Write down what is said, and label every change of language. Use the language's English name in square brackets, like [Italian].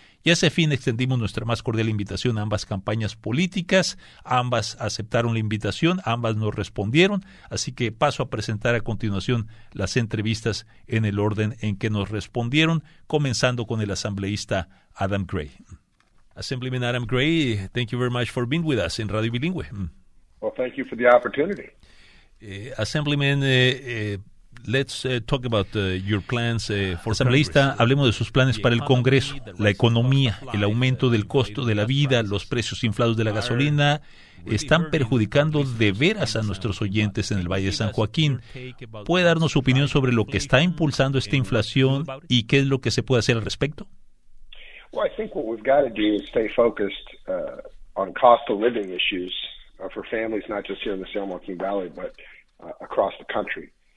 [Spanish] Y a ese fin extendimos nuestra más cordial invitación a ambas campañas políticas. Ambas aceptaron la invitación, ambas nos respondieron. Así que paso a presentar a continuación las entrevistas en el orden en que nos respondieron, comenzando con el asambleísta Adam Gray. [English] Assemblyman Adam Gray, thank you very much for being with us in Radio Bilingüe. Well, thank you for the opportunity. Assemblyman, let's talk about your plans for Asambleísta. [Spanish] Hablemos de sus planes para el Congreso, la economía, el aumento del costo de la vida, los precios inflados de la gasolina. Están perjudicando de veras a nuestros oyentes en el Valle de San Joaquín. ¿Puede darnos su opinión sobre lo que está impulsando esta inflación y qué es lo que se puede hacer al respecto? [English] Well, I think what we've got to do is stay focused on cost of living issues for families, not just here in the San Joaquin Valley, but across the country.